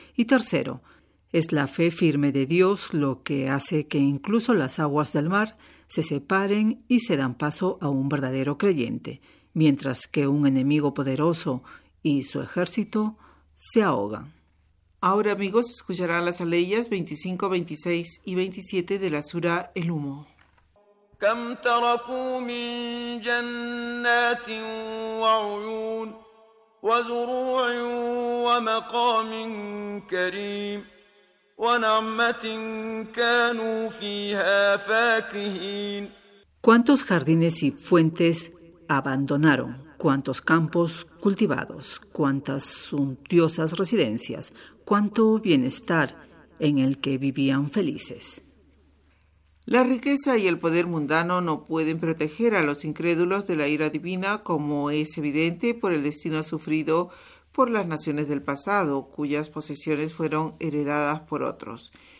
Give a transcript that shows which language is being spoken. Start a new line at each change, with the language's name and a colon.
Spanish: Y tercero, es la fe firme de Dios lo que hace que incluso las aguas del mar se separen y se dan paso a un verdadero creyente, mientras que un enemigo poderoso y su ejército se ahogan. Ahora, amigos, escucharán las aleyas 25, 26 y 27 de la sura El Humo.
Arabic: كم تركوا من جنات وعيون وزروع ومقام كريم ونعمة كانوا فيها فاكهين.
Spanish: ¿Cuántos jardines y fuentes abandonaron? ¿Cuántos campos cultivados? ¿Cuántas suntuosas residencias? ¿Cuánto bienestar en el que vivían felices? La riqueza y el poder mundano no pueden proteger a los incrédulos de la ira divina, como es evidente por el destino sufrido por las naciones del pasado, cuyas posesiones fueron heredadas por otros.